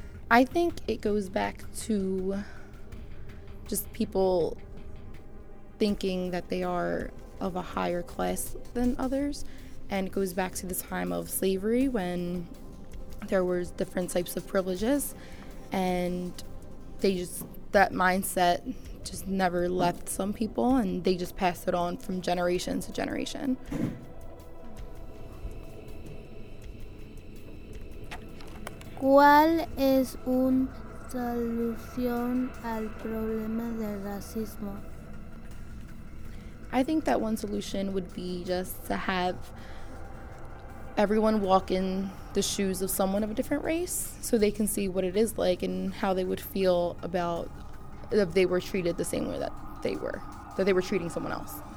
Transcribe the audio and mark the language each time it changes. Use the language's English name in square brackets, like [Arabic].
[English] I think it goes back to just people thinking that they are of a higher class than others, and it goes back to the time of slavery when there were different types of privileges, and they just, that mindset just never left some people, and they just passed it on from generation to generation. [Spanish] ¿Cuál es una solución al problema del racismo? [English] I think that one solution would be just to have everyone walk in the shoes of someone of a different race so they can see what it is like and how they would feel about if they were treated the same way that they were, that they were treating someone else.